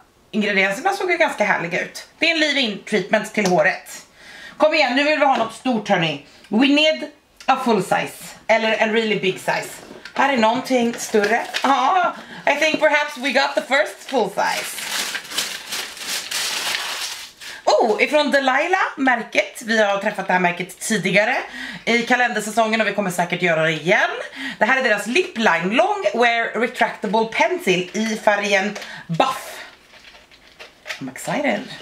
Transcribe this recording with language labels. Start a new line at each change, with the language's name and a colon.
Swedish: Ingredienserna såg ju ganska härliga ut. Det är en Leave-In Treatment till håret. Kom igen, nu vill vi ha något stort, hörni.
English: We need a full size,
Swedish: eller en
English: really big size.
Swedish: Här är någonting större.
English: Ah, I think perhaps we got the first full size.
Swedish: Oh, ifrån Delilah-märket. Vi har träffat det här märket tidigare i kalendersäsongen och vi kommer säkert göra det igen. Det här är deras Lip Line Long Wear Retractable Pencil i färgen Buff.
English: I'm excited.